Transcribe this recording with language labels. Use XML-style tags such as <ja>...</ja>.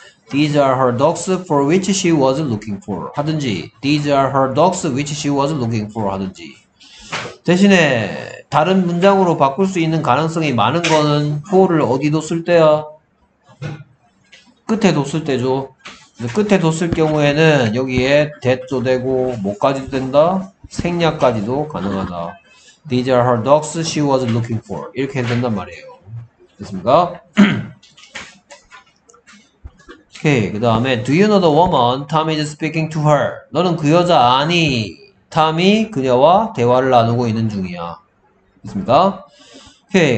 <en>These are her dogs for which she was looking for 하든지 These are her dogs which she was looking for 하든지</en> <ko>대신에 다른 문장으로 바꿀 수 있는 가능성이 많은 거는 for를 어디도 쓸 때야? 끝에도 쓸 때죠. 끝에 뒀을 경우에는 여기에 that도 되고 뭐까지도 된다? 생략까지도 가능하다.</ko> <en>These are her dogs she was looking for.</en> <ko>이렇게 해도 된단 말이에요. 됐습니까? 오케이. 그 다음에</ko> <en>Do you know the woman? Tom is speaking to her.</en> <ko>너는 그 여자 아니. Tom이 그녀와 대화를 나누고 있는 중이야. 있습니다. 오케이.</ko>